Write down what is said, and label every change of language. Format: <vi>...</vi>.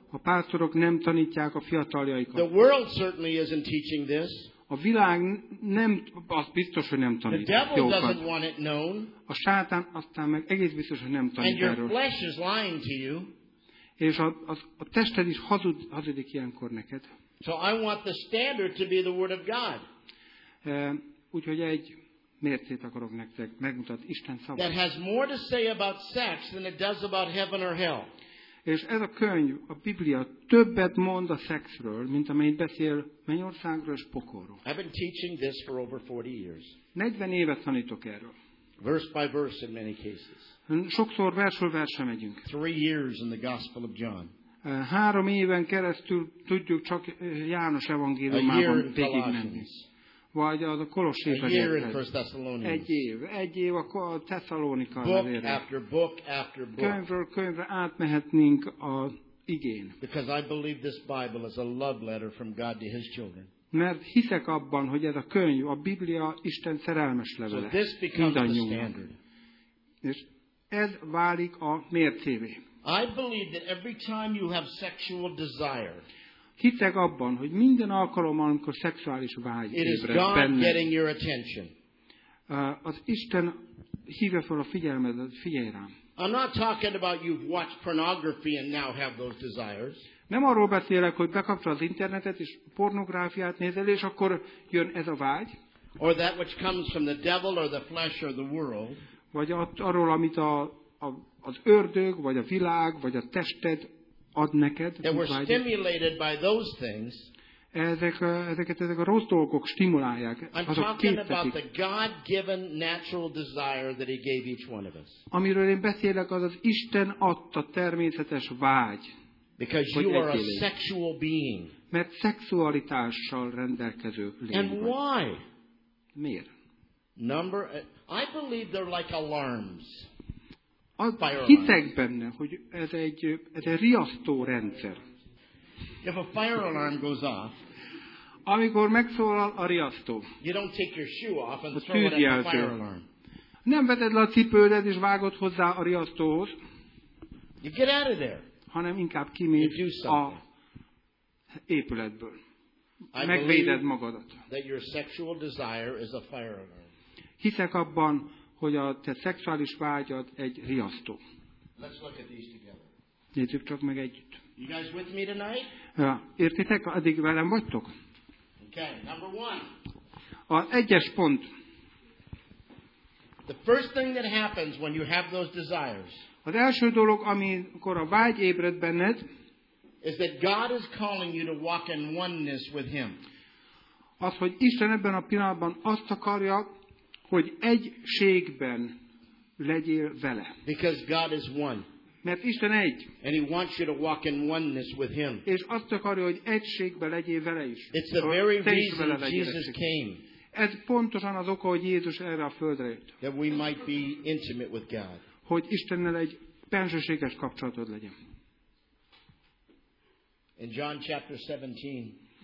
<hu>A pásztorok nem tanítják a fiataljaikat.</hu> <en>The world certainly isn't teaching this.</en> <hu>A világ nem, az biztos, hogy nem tanít.</hu> <en>The devil doesn't want it known.</en> <hu>A sátán aztán meg egész biztos, hogy nem tanít.</hu> <en>And your flesh is lying to you.</en> <hu>És a tested is hazudik ilyenkor neked.</hu> <en>So I want the standard to be the word of God.</en> <hu>Úgyhogy egy mércét akarok nektek megmutatni, Isten szava.</hu> <en>That has more to say about sex than it does about heaven or hell.</en> <hu>És ez a könyv, a Biblia többet mond a szexről, mint amennyit beszél mennyországról és pokolról.</hu> <en>I've been teaching this for over 40 years.</en> <hu>40 éve tanítok erről.</hu> <en>Verse by verse in many cases.</en> <hu>Sokszor versről versre megyünk.</hu> <en>3 years in the Gospel of John.</en> <hu>3 éven keresztül tudjuk csak János evangéliumában végigmenni. Vagy az a Kolossé levélhez. Egy év a Tesszalonika levélre. Könyvről könyvre átmehetnénk az igén.</hu> <en>Because I believe this Bible is a love letter from God to His children.</en> <hu>Mert hiszek abban, hogy ez a könyv, a Biblia Isten szerelmes levele.</hu> <en>So this becomes the standard.</en> <hu>És ez válik a mércévé.</hu> <en>I believe that every time you have sexual desire,</en> <hu>hittek abban, hogy minden alkalommal, amikor szexuális vágy ébred bennem, az Isten hívja fel a figyelmedet, figyelj rám.</hu> <en>I'm not talking about you've watched pornography and now have those desires.</en> <hu>Nem arról beszélek, hogy bekapcsol az internetet és pornográfiát nézel, és akkor jön ez a vágy.</hu> <en>Or that which comes from the devil or the flesh or the world.</en> <hu>Vagy arról, amit az ördög, vagy a világ, vagy a tested ad neked,</hu> <en>that were stimulated by those things.</en> <hu>Ezek a rossz dolgok stimulálják.</hu> <en>I'm talking about the God-given natural desire that He gave each one of us.</en> <hu>Amiről én beszélek, az Isten adta természetes vágy.</hu> <en>Because you are a sexual being.</en> <hu>Mert szexualitással rendelkező lény.</hu> <en>And why?</en> <hu>Miért?</hu> <en>Number, I believe they're like alarms.</en> <hu>Hiszek benne, hogy ez egy riasztó rendszer.</hu> <en>If a fire alarm goes off,</en> <hu>amikor megszólal a riasztó,</hu> <en>you don't take your shoe off and throw it at the fire alarm.</en> <hu>Nem veted le a cipődet és vágod hozzá a riasztóhoz,</hu> <en>you get out of there.</en> <hu>Hanem inkább kimész a épületből. Megvéded magadat.</hu> <en>That your sexual desire is a fire alarm.</en> <hu>Hiszek abban, hogy a te szexuális vágyad egy riasztó.</hu> <en>Let's look at these together.</en> <hu>Nézzük csak meg együtt.</hu> <en>You guys with me tonight?</en> <hu>Ja, értitek? Addig velem vagytok?</hu> <en>Okay, number one.</en> <hu>A egyes pont.</hu> <en>The first thing that happens when you have those desires.</en> <hu>Az első dolog, amikor a vágy ébred benned,</hu> <en>is that God is calling you to walk in oneness with Him.</en> <hu>Az, hogy Isten ebben a pillanatban azt akarja, hogy egységben legyél vele.</hu> <en>Because God is one.</en> <hu>Mert Isten egy.</hu> <en>And he wants you to walk in oneness with him.</en> <hu>És azt akarja, hogy egységbe legyél vele is.</hu> <en>It's the very reason Jesus came.</en> <hu>Ez pontosan az oka, hogy Jézus erre a földre jött.</hu> <en>That we might be intimate with God.</en> <hu>Hogy Istennel egy bensőséges kapcsolatod legyen.</hu> <en>In John chapter 17.</en>